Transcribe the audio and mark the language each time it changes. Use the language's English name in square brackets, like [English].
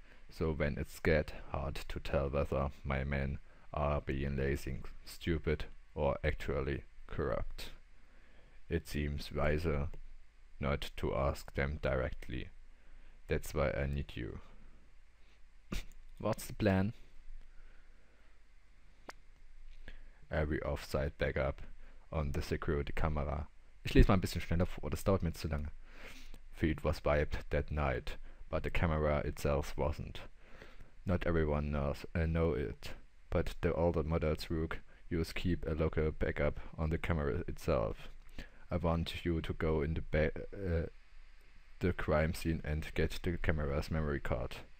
[English] So when it's get hard to tell whether my men are being lazy, stupid, or actually corrupt, it seems wiser not to ask them directly. That's why I need you. What's the plan? Every off-site backup on the security camera. [German] Ich lese mal ein bisschen schneller vor, das dauert mir zu lange. [English] Feed was wiped that night, but the camera itself wasn't. Not everyone knows it, but the older models Rook use keep a local backup on the camera itself. I want you to go in the crime scene and get the camera's memory card.